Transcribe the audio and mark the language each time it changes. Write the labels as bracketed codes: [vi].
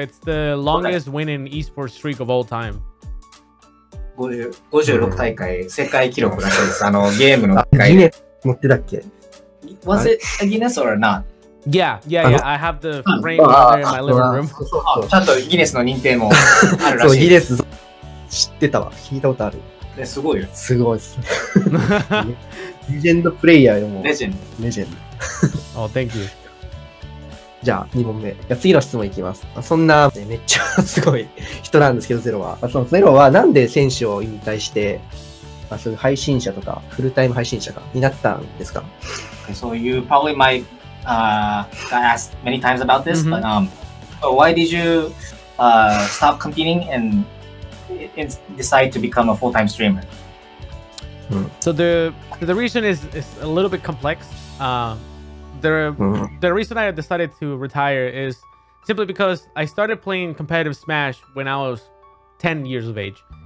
[en] It's the longest winning esports streak of all time. [ja] 56大会、世界記録らしいです。ゲームの大会。ギネス持ってたっけ? [en] Was it a Guinness or not? Yeah, yeah, yeah. I have the frame right there in my living room. [ja] ちゃんとギネスの認定もあるらしい。そう、ギネス知ってたわ。聞いたことある。すごいよ。すごいっす。レジェンドプレイヤーよ、もレジェンド。レジェンド。 [en] お、Thank you。 [ja] じゃあ、2問目。じゃ次の質問いきます。そんな、ね、めっちゃすごい人なんですけど、ゼロは。そのゼロは、なんで選手を引退して、まあ、そういう配信者とか、フルタイム配信者かになったんですか [en] ?So, you probably might, got asked many times about this,、mm-hmm. but, why did you, stop competing and decide to become a full-time streamer? So the reason is a little bit complex. The reason I decided to retire is simply because I started playing competitive Smash when I was 10 years of age.